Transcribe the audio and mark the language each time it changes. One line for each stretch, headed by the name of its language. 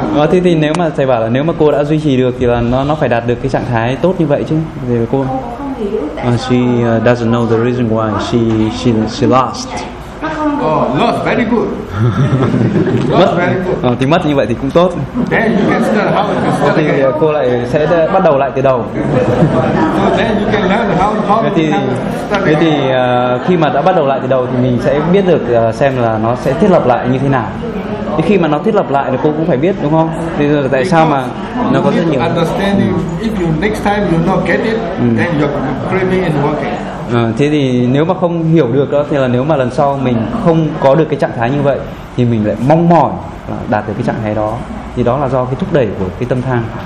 Vietnamese: Thì nếu mà thầy bảo là nếu mà cô đã duy trì được thì là nó phải đạt được cái trạng thái tốt như vậy chứ. Thì cô không hiểu.
English: She doesn't know the reason why she lost. Oh, lost very good.
Vietnamese: Mất
English: very good.
Vietnamese: Thì mất như vậy thì cũng tốt.
English: Then you can start how to start again.
Vietnamese: Cô lại sẽ bắt đầu lại từ đầu.
English: Then you can learn how to
Vietnamese: thế thì khi mà đã bắt đầu lại từ đầu thì mình sẽ biết được xem là nó sẽ thiết lập lại như thế nào. Thì khi mà nó thiết lập lại thì cô cũng phải biết đúng không? Thì tại
English: because
Vietnamese: sao mà nó có rất nhiều.
English: If you next time you not get it, then you're craving and working.
Vietnamese: Thế thì nếu mà không hiểu được đó thì là nếu mà lần sau mình không có được cái trạng thái như vậy thì mình lại mong mỏi đạt được cái trạng thái đó. Thì đó là do cái thúc đẩy của cái tâm tham.